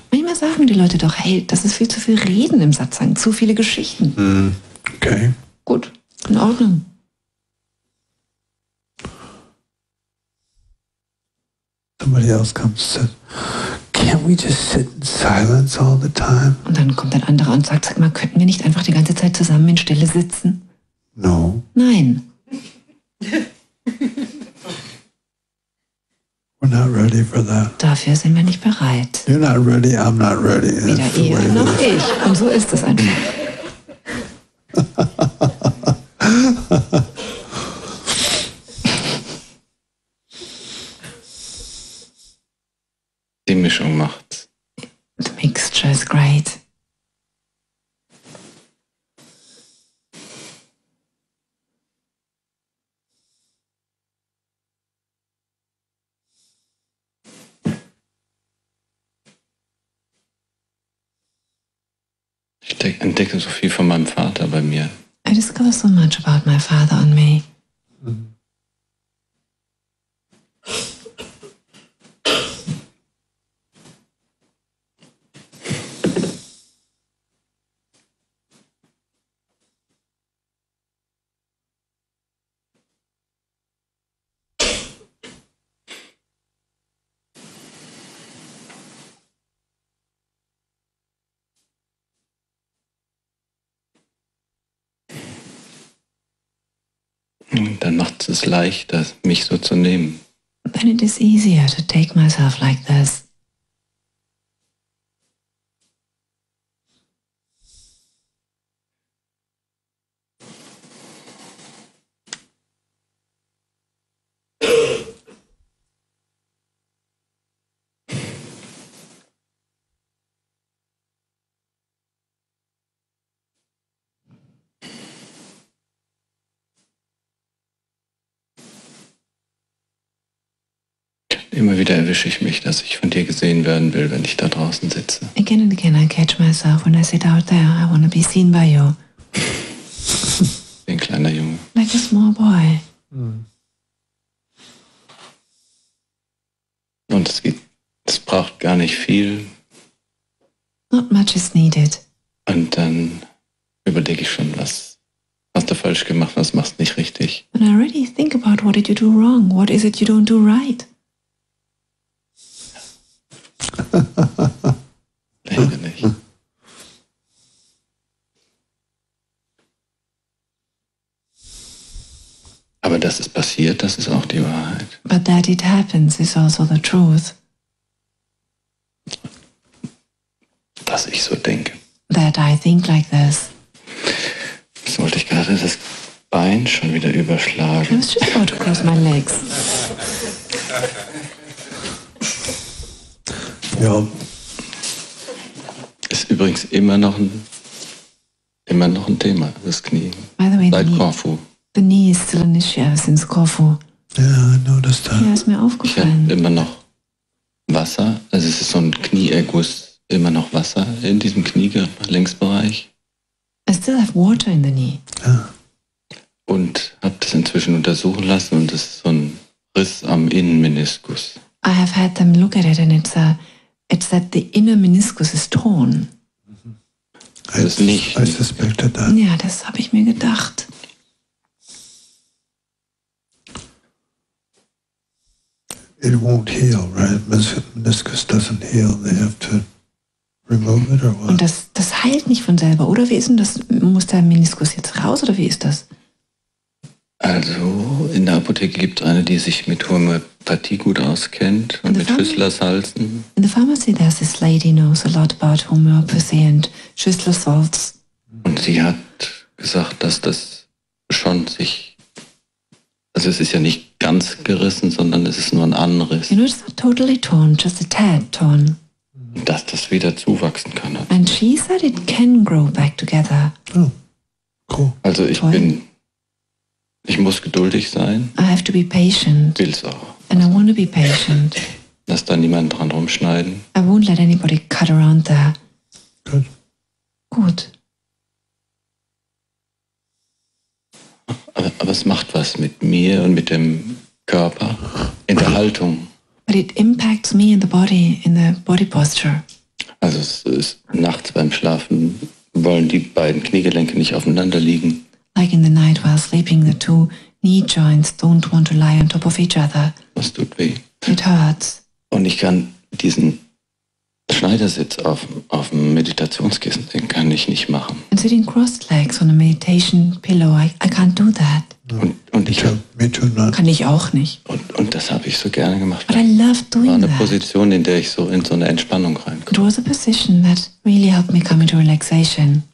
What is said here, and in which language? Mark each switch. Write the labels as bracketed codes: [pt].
[de] Manchmal sagen die Leute doch, hey, das ist viel zu viel Reden im Satsang, zu viele Geschichten. Okay. Gut, in Ordnung. [en] Somebody else comes and says, can't we just sit in silence all the time? [de] Und dann kommt ein anderer und sagt, sag mal, könnten wir nicht einfach die ganze Zeit zusammen in Stille sitzen? [en] No. [de] Nein. [en] We're not ready for that. [de] Dafür sind wir nicht bereit. [en] You're not ready, I'm not ready. [de] Weder ihr noch ich. Und so ist es einfach. Die Mischung macht. [en] The mixture is great. [de] Ich entdecke so viel von meinem Vater bei mir. [en] I discover so much about my father and me. [de] Dann macht es leichter, mich so zu nehmen. [en] Then it is easier to take myself like this. [de] Immer wieder erwische ich mich, dass ich von dir gesehen werden will, wenn ich da draußen sitze. [en] Again and again I catch myself when I sit out there. I want to be seen by you. [de] Wie ein kleiner Junge. [en] Like a small boy. [de] Und es braucht gar nicht viel. [en] Not much is needed. [de] Und dann überlege ich schon, was Hast du falsch gemacht, was machst du nicht richtig? [en] And I already think about what did you do wrong? What is it you don't do right? [de] Länger nicht. Aber das ist passiert, das ist auch die Wahrheit. [en] But that it happens is also the truth. [de] Dass ich so denke. [en] That I think like this. [de] Jetzt wollte ich gerade das Bein schon wieder überschlagen. [en] I was just about to cross my legs. [de] Ja. Ist übrigens immer noch ein Thema, das Knie. [en] By the way, [de] seit Corfu. [en] The knee is still an issue since Corfu. Yeah, I noticed that. [de] Ja, ist mir aufgefallen. Ich habe immer noch Wasser, also es ist so ein Knieerguss, immer noch Wasser in diesem Knie-Längsbereich. [en] I still have water in the knee. [de] Ja. Und habe das inzwischen untersuchen lassen und es ist so ein Riss am Innenmeniskus. [en] I have had them look at it and it's that the inner meniscus is torn. [de] Mm-hmm. Das ist nicht. [en] I suspected that. [de] Ja, das habe ich mir gedacht. [en] It won't heal, right? Meniscus doesn't heal. They have to remove it or what? [de] Und das heilt nicht von selber, oder? Wie ist denn das? Muss der Meniskus jetzt raus, oder wie ist das? Also, in der Apotheke gibt es eine, die sich mit Homöopathie gut auskennt und mit Schüsslersalzen. [en] In the pharmacy there's this lady knows a lot about homeopathy and Schüsslersalz. [de] Und sie hat gesagt, dass das schon sich... Also es ist ja nicht ganz gerissen, sondern es ist nur ein Anriss. [en] You know, it's not totally torn, just a tad torn. [de] Dass das wieder zuwachsen kann. [en] And she said it can grow back together. Oh, cool. [de] Also ich bin... Ich muss geduldig sein. [en] I have to be patient. [de] Will's auch. [en] And I want to be patient. [de] Lass da niemanden dran rumschneiden. [en] I won't let anybody cut around there. Good. [de] Gut. Aber es macht was mit mir und mit dem Körper in der Haltung. [en] But it impacts me in the body posture. [de] Also es ist nachts beim Schlafen wollen die beiden Kniegelenke nicht aufeinander liegen. [en] Like in the night while sleeping, the two knee joints don't want to lie on top of each other. [de] Das tut weh. [en] It hurts. [de] Und ich kann diesen Schneidersitz auf dem Meditationskissen, den kann ich nicht machen. [en] And sitting crossed legs on a meditation pillow, I can't do that. [de] Und ich kann ich auch nicht. Und das habe ich so gerne gemacht. [en] But I love doing that. [de] War eine Position, in der ich so in so eine Entspannung reinkomme. [en] It was a position that really helped me come into relaxation.